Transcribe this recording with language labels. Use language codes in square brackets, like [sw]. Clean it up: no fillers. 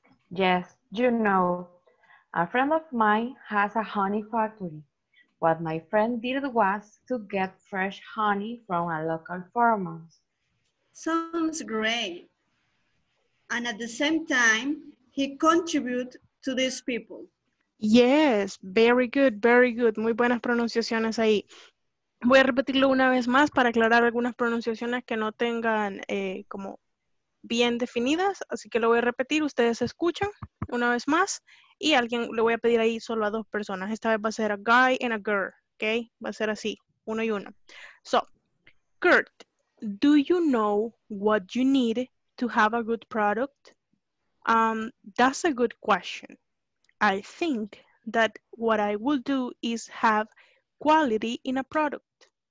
[en] Yes, you know, a friend of mine has a honey factory. What my friend did was to get fresh honey from a local farmer. Sounds great. And at the same time, he contributed to these people. Yes, very good, very good. [es] Muy buenas pronunciaciones ahí. Voy a repetirlo una vez más para aclarar algunas pronunciaciones que no tengan como bien definidas. Así que lo voy a repetir. Ustedes escuchan una vez más. Y alguien le voy a pedir ahí solo a dos personas. Esta vez va a ser [en] a guy and a girl. [es] Okay? Va a ser así, uno y uno. [en] So, Kurt, do you know what you need to have a good product? That's a good question. I think that what I will do is have quality in a product.